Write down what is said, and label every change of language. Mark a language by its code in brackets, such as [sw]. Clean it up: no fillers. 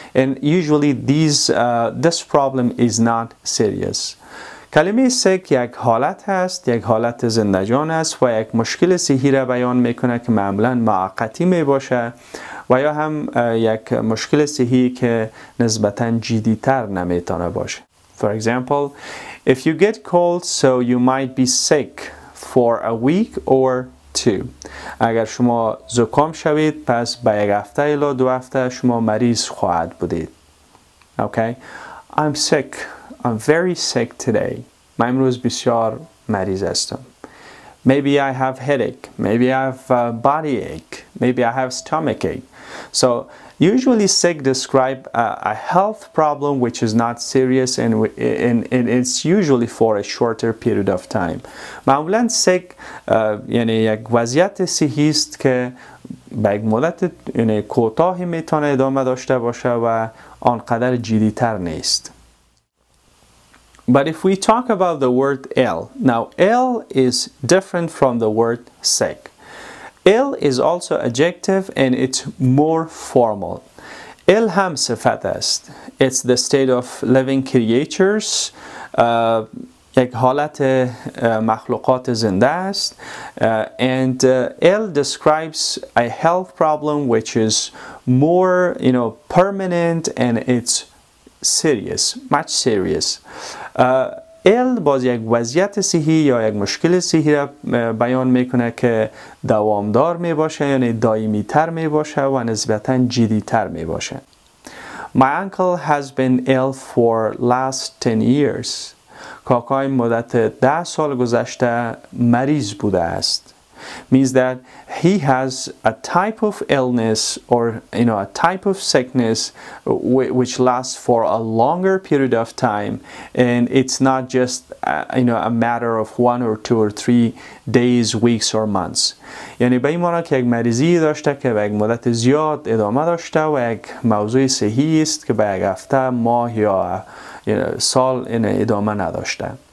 [en] And usually this problem is not serious. [fa] کلمه sick یک حالت هست، یک حالت زندجان است و یک مشکل صحی را بیان میکنه که معمولاً موقتی میباشه و یا هم یک مشکل صحی که نسبتاً جدی‌تر نمیتونه باشه. [en] For example, if you get cold, so you might be sick for a week or two. [fa] اگر شما زکام شوید پس به یک هفته یا دو هفته شما مریض خواهد بودید. [en] Okay, I'm sick. I'm very sick today. [fa] من امروز بسیار مریض هستم. [en] Maybe I have headache. Maybe I have body ache. Maybe I have stomach ache. So usually sick describe a health problem which is not serious and it's usually for a shorter period of time. [fa] معمولا sick یعنی یک وضعیت صحی است که به یک مدت کوتاهی میتونه ادامه داشته باشه و آنقدر جدی تر نیست. [en] But if we talk about the word ill, now ill is different from the word sick. Ill is also adjective and it's more formal. Ill [fa] هم صفت است. [en] It's the state of living creatures. [fa] یک حالت مخلوقات زنده است. [en] Ill describes a health problem which is more, permanent and it's serious, much serious. [fa] Ill باز یک وضعیت صحی یا یک مشکل صحی را بیان میکنه که دوامدار میباشه یعنی دائمی تر میباشه و نسبتاً جدی تر میباشه. [en] My uncle has been ill for last 10 years. [fa] کاکای مدت 10 سال گذشته مریض بوده است. [en] Means that he has a type of illness or a type of sickness which lasts for a longer period of time and it's not just a matter of one or two or three days, weeks or months. [fa] یعنی به این معنی که یک مریضی داشته که به یک مدت زیاد ادامه داشته و یک موضوع صحی است که به یک هفته ماه یا سال ادامه نداشته.